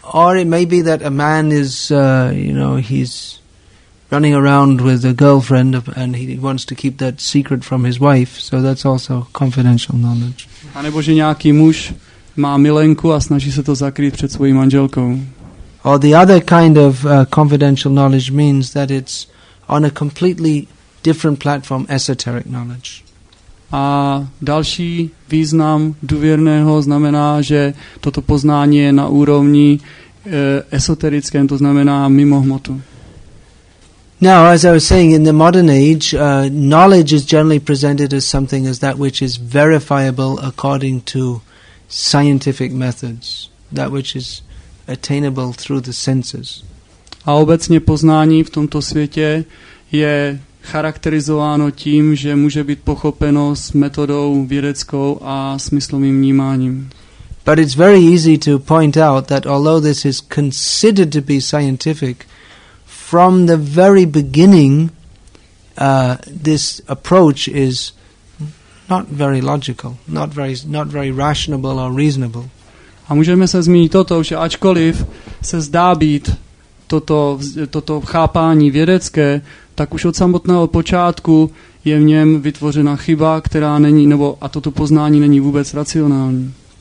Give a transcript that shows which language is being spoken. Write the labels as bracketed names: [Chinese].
[English] Or it may be that a man is, he's running around with a girlfriend and he wants to keep that secret from his wife, so that's also confidential knowledge. [Czech] A nebo že nějaký muž má milenku a snaží se to zakrýt před svojí manželkou. [English] Or the other kind of confidential knowledge means that it's on a completely different platform, esoteric knowledge. [Czech] A další význam důvěrného znamená, že toto poznání je na úrovni esoterickém, to znamená mimo hmotu. [English] Now, as I was saying, in the modern age, knowledge is generally presented as something as that which is verifiable according to scientific methods, that which is attainable through the senses. [Czech] A obecně poznání v tomto světě je charakterizováno tím, že může být pochopeno s metodou vědeckou a smyslovým vnímáním. [English] But it's very easy to point out that although this is considered to be scientific, from the very beginning, this approach is not very logical, not very rational or reasonable. [Czech] A můžeme se zmínit toto, že ačkoliv se zdá být toto chápání vědecké, tak už od samotného počátku je v něm vytvořena chyba, která není, nebo a toto poznání není vůbec racionální.